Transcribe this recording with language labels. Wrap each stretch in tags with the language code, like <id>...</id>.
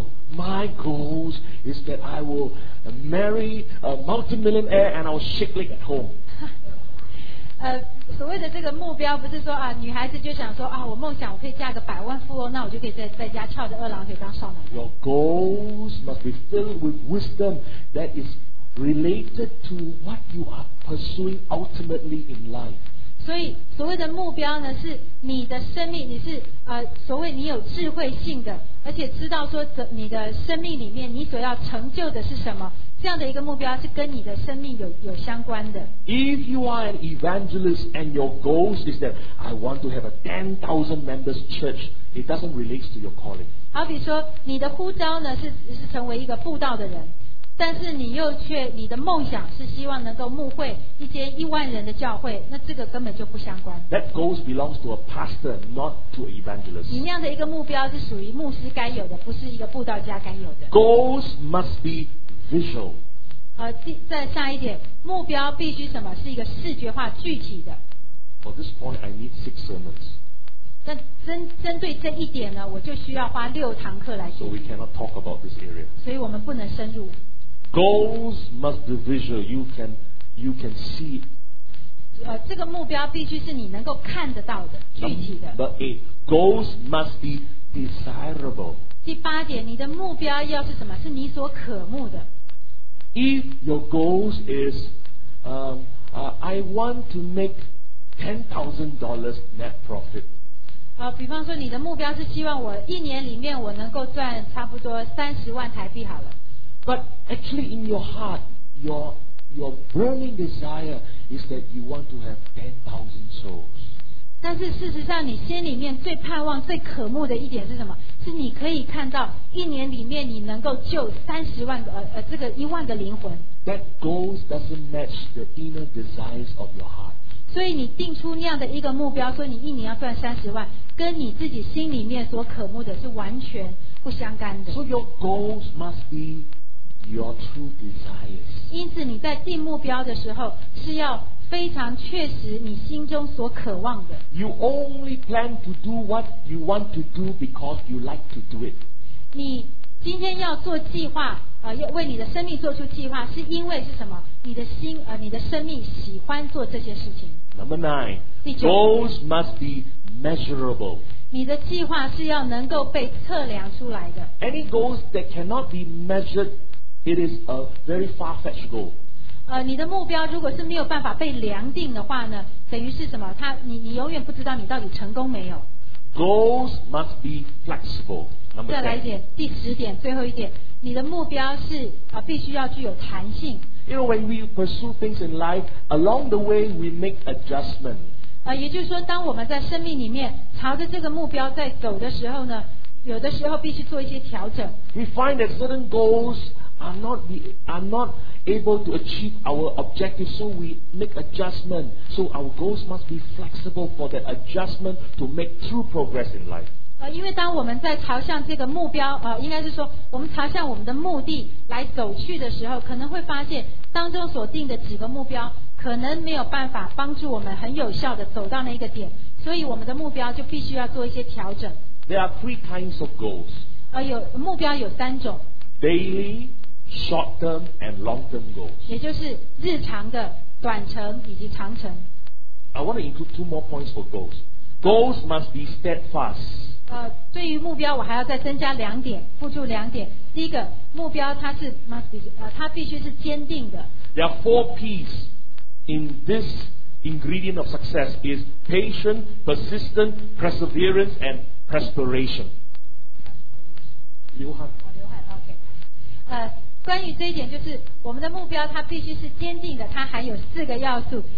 <en>My goals is that I will marry a multimillionaire and I will shake leg at home.</en> <zh>所谓的这个目标不是说啊，女孩子就想说啊，我梦想我可以嫁个百万富翁，那我就可以在家翘着二郎腿当少奶奶。</zh> <en>Your goals must be filled with wisdom that is related to what you are pursuing ultimately in life.</en> <zh>所以所谓的目标呢，是你的生命，你是所谓你有智慧性的，而且知道说你的生命里面你所要成就的是什么。这样的一个目标是跟你的生命 有相关的。</zh> <en>If you are an evangelist and your goals is that I want to have a 10,000 members church, it doesn't relate to your calling.</en> <zh>好比说，你的呼召呢 是成为一个布道的人，但是你又却你的梦想是希望能够牧会一间一万人的教会，那这个根本就不相关。</zh> <en>That goals belongs to a pastor, not to an evangelist.</en> <zh>你那样的一个目标是属于牧师该有的，不是一个布道家该有的。</zh> <en>Goals must be. Visual.</en> <zh>再下一点，目标必须什么？是一个视觉化、具体的。</zh> <en>For this point, I need 6 sermons.</en> <zh>那针对这一点呢，我就需要花六堂课来说。</zh> <en>So we cannot talk about this area.</en> <zh>所以我们不能深入。</zh> <en>Goals must be visual. You can see.</en> <zh>这个目标必须是你能够看得到的、具体的。</zh> <en>Number eight, goals must be desirable.</en> <zh>第八点，你的目标要是什么？是你所渴慕的。</zh> <en>If your goals is, I want to make $10,000 net profit.</en> <zh>比方说你的目标是希望我一年里面我能够赚差不多30万台币好了。</zh> <en>But actually, in your heart, your burning desire is that you want to have 10,000 souls.</en> <zh>但是事实上你心里面最盼望最渴慕的一点是什么？是你可以看到一年里面你能够救30万个这个10,000个灵魂。</zh> <en>That goals doesn't match the inner desires of your heart.</en> <zh>所以你定出那样的一个目标，说你一年要赚30万，跟你自己心里面所渴慕的是完全不相干的。</zh> <en>So your goals must be your true desires.</en> <zh>因此你在定目标的时候是要非常确实你心中所渴望的。</zh> <en>You only plan to do what you want to do because you like to do it.</en> <zh>你今天要做计划要为你的生命做出计划，是因为是什么？你的心你的生命喜欢做这些事情。</zh> <en>Number nine,</en> <zh>第九，</zh> <en>goals must be measurable.</en> <zh>你的计划是要能够被测量出来的。</zh> <en>Any goals that cannot be measured, it is a very far-fetched goal.</en> <zh>你的目标如果是没有办法被量定的话呢，等于是什么？你永远不知道你到底成功没有。</zh> <en>Goals must be flexible.</en> <zh>再来一点，第十点，最后一点，你的目标是必须要具有弹性。</zh> <en>You know, when we pursue things in life, along the way we make adjustment.</en> <zh>也就是说，当我们在生命里面朝着这个目标在走的时候呢，有的时候必须做一些调整。</zh> <en>We find that certain goals are not. Able to achieve our objective, so we make adjustment. So our goals must be flexible for that adjustment to make true progress in life.</en> <zh>因为当我们在朝向这个目标应该是说我们朝向我们的目的来走去的时候，可能会发现当中所定的几个目标可能没有办法帮助我们很有效的走到那个点，所以我们的目标就必须要做一些调整。</zh> <en>There are three kinds of goals.</en> <zh>目标有三种。</zh> <en>Daily, short term and long term goals.</en> <zh>也就是日常的、短程以及长程。</zh> <en>I want to include two more points for goals. Goals must be steadfast.</en> <zh>对于目标，我还要再增加两点，附注两点。第一个，目标它是</zh> <en>must be，</en> <zh>它必须是坚定的。</zh> <en>There are four P's in this ingredient of success: is patient, persistent, perseverance, and perspiration.</en> <zh>流汗。流汗 ，OK。关于这一点，就是我们的目标它必须是坚定的，它含有四个要素。</zh>